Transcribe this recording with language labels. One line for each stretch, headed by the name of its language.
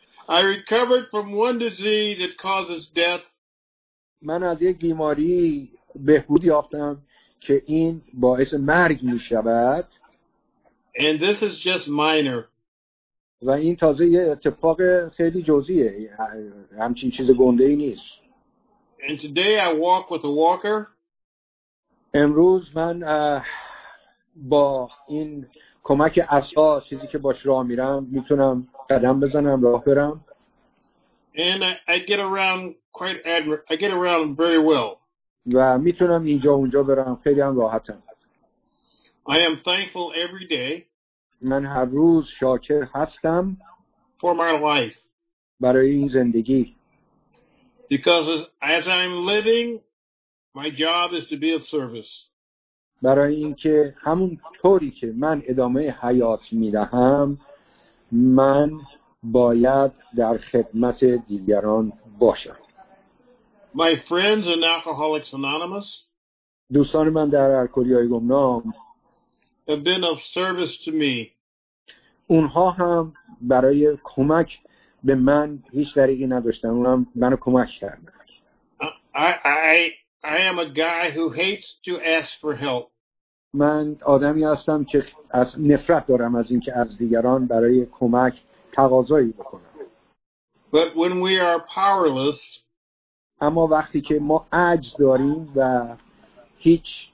English: I recovered from one disease that causes death.
Persian: من از یک بیماری بهبود یافتم که این باعث مرگ میشود.
English: And this is just minor.
Persian: و این تازه یه اتفاق خیلی جزئیه. همچین چیز گنده‌ای نیست.
English: And today I walk with a walker.
Persian: امروز من با این کمک عصا چیزی که باش راه میرم میتونم قدم بزنم راه برم.
English: And I get around very well.
Persian: و میتونم اینجا اونجا برم خیلی هم راحتم.
English: I am thankful every day.
Persian: من هر روز شاکر هستم
English: for my life.
Persian: برای این زندگی.
English: Because as I'm living, my job is to be of service.
Persian: برای اینکه همون طوری که من ادامه حیات می‌دهم، من باید در خدمت دیگران باشم.
English: My friends in Alcoholics Anonymous.
Persian: دوستان من در الکلی‌های گمنام.
English: Have been of service to me.
Persian: اونها هم برای کمک به من هیچ طریقی نداشتن. اونها هم منو کمک کردن.
English: I am a guy who hates to ask for help.
Persian: من آدمی هستم که از نفرت دارم از اینکه از دیگران برای کمک تقاضایی بکنم.
English: But when we are powerless,
Persian: اما وقتی که ما عجز داریم و هیچ